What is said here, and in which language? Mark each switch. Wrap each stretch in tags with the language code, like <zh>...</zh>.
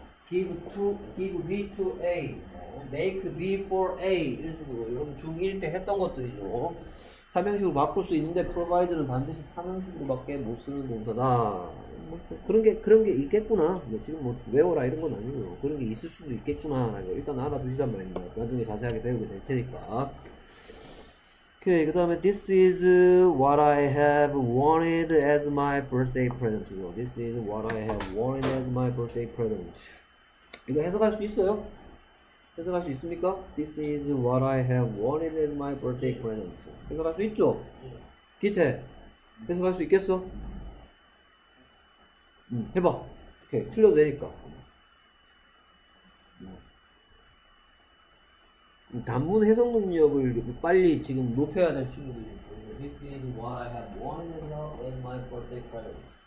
<en>give B to A. make B for A</en> <ko>이런 식으로 여러분 중1 때 했던 것들이죠. 3형식으로 바꿀 수 있는데 provide는 반드시 3형식으로밖에 못 쓰는 동사다. 그런 게 있겠구나. 지금 뭐 외워라 이런 건 아니고요. 그런 게 있을 수도 있겠구나. 일단 알아두시란 말입니다. 나중에 자세하게 배우게 될 테니까. 오케이. 그다음에</ko> <en>this is what I have wanted as my birthday present. This is what I have wanted as my birthday present.</en> <ko>이거 해석할 수 있어요? 해석할 수 있습니까?</ko> <en>This is what I have wanted as my birthday present.</en> <ko>해석할 수 있죠? 기태, 해석할 수 있겠어? 해봐. 오케이, 틀려도 되니까. 단문 해석 능력을 빨리 지금 높여야 될 친구들이.</ko> <en>This is what I have wanted as my birthday present.</en>